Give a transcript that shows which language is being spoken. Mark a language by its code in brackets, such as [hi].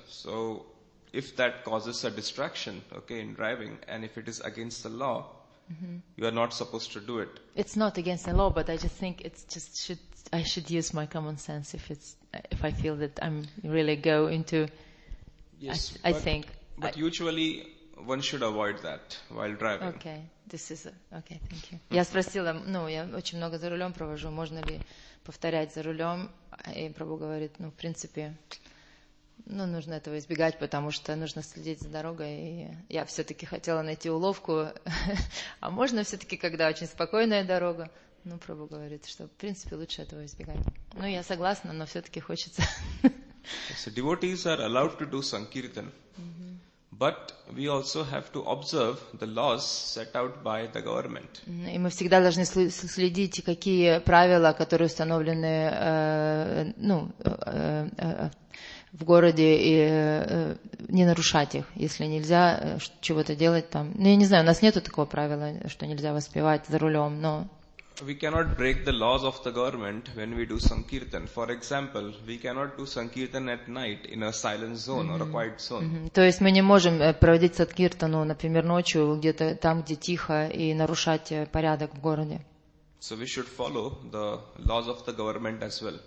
[en] So if that causes a distraction, okay, in driving, and if it is against the law, you are not supposed to do it. It's not against the law, but I just think it's just I should use my common sense if I feel that I'm really go into. Yes, I think. But usually one should avoid that while driving. Okay, this is okay. Thank you. [ru] Я спросила, ну я очень много за рулем провожу, можно ли повторять за рулем? И Прабху говорит, ну в принципе. Ну, нужно этого избегать, потому что нужно следить за дорогой. И я все-таки хотела найти уловку. А можно все-таки, когда очень спокойная дорога? Ну, Прабху говорит, что, в принципе, лучше этого избегать. Ну, я согласна, но все-таки хочется. [en] So devotees are allowed to do sankirtan. But we also have to observe the laws set out by the government. [ru] И мы всегда должны следить, какие правила, которые установлены, в городе и не нарушать их, если нельзя чего-то делать там. Ну, я не знаю, у нас нету такого правила, что нельзя воспевать за рулем, но... [en] We cannot break the laws of the government when we do sankirtan. For example, we cannot do sankirtan at night in a silent zone or a quiet zone. [ru] То есть мы не можем проводить садкиртану, например, ночью, где-то там, где тихо, и нарушать порядок в городе. [en] So we should follow the laws of the government as well.